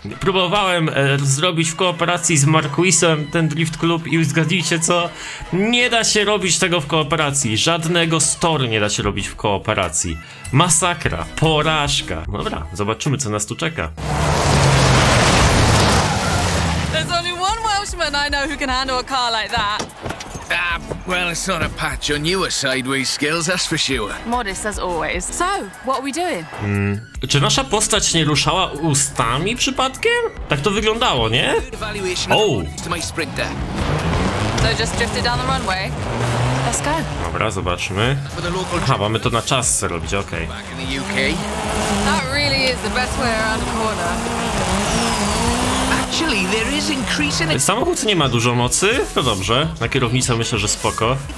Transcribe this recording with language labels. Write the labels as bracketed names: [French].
[Polish] Próbowałem zrobić w kooperacji z Marquisem ten Drift Club i zgadzicie co? Nie da się robić tego w kooperacji. Żadnego story nie da się robić w kooperacji. Masakra, porażka. Dobra, zobaczymy co nas tu czeka. [English] There's only one Welshman I know who can handle a car like that. Well, it's not a patch on your sideways skills, that's for sure. Modest as always. So, what are we doing? [Polish] Czy nasza postać nie ruszała ustami przypadkiem? Tak to wyglądało, nie? [English] Oh. So just drifted down the runway. [Polish] Dobra, zobaczmy. Aha, mamy to na czas zrobić, okej. [English] That really is the best way around the corner. Actually, there is increasing. [Polish] Samochód nie ma dużo mocy, to dobrze. Na kierownicę myślę, że spoko.